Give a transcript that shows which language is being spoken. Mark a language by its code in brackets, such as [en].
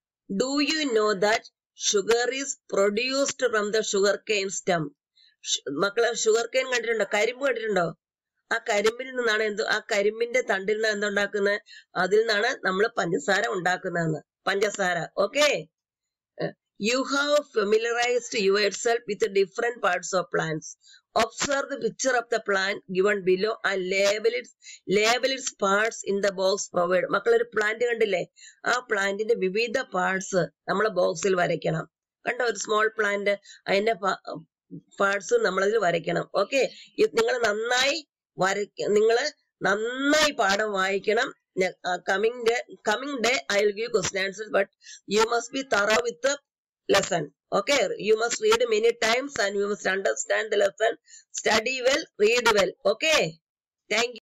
[en] Do you know that sugar is produced from the sugarcane stem? [ml] മക്കളെ sugarcane കണ്ടിട്ടുണ്ടോ, കരിമ്പ് കണ്ടിട്ടുണ്ടോ, ആ കരിമ്പിൽ നിന്നാണ് എന്ത്, ആ കരിമ്പിന്റെ തണ്ടിൽ നിന്നാണ് എന്തുണ്ടാക്കുന്നത്, അതിൽ നിന്നാണ് നമ്മൾ പഞ്ചസാര ഉണ്ടാക്കുന്നതെന്ന്, പഞ്ചസാര. [en] Okay, you have familiarised yourself with different parts of plants. Observe the picture of the plant given below and label its parts in the box provided. [ml] മക്കളെ ഒരു പ്ലാന്റ് കണ്ടില്ലേ, ആ പ്ലാന്റിന്റെ വിവിധ പാർട്സ് നമ്മളെ ബോക്സിൽ വരയ്ക്കണം. കണ്ടോ, ഒരു സ്മോൾ പ്ലാന്റ് അതിന്റെ പാർട്സ് നമ്മളതിൽ വരയ്ക്കണം. ഓക്കെ, നിങ്ങൾ നന്നായി നിങ്ങൾ നന്നായി പാഠം വായിക്കണം. [en] Coming day I will give question answer, but you must be thorough with lesson. Okay, you must read many times and you must understand the lesson. Study well, read well. Okay, thank you.